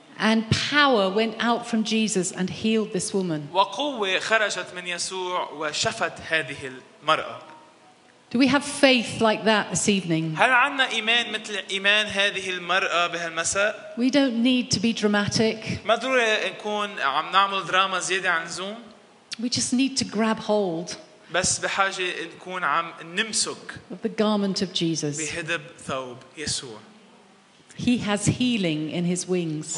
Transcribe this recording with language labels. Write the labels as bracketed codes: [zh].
[en] And power went out from Jesus and healed this woman. [ar] وقوة خرجت من يسوع وشفت هذه المرأة. [en] Do we have faith like that this evening? [ar] هل عندنا إيمان مثل إيمان هذه المرأة بهالمساء؟ [en] We don't need to be dramatic. [ar] ما ضروري نكون عم نعمل دراما زيادة عن زوم. [en] We just need to grab hold. [ar] بس بحاجة نكون عم نمسك. [en] Of the garment of Jesus. [ar] بهدب ثوب يسوع. [en] He has healing in his wings.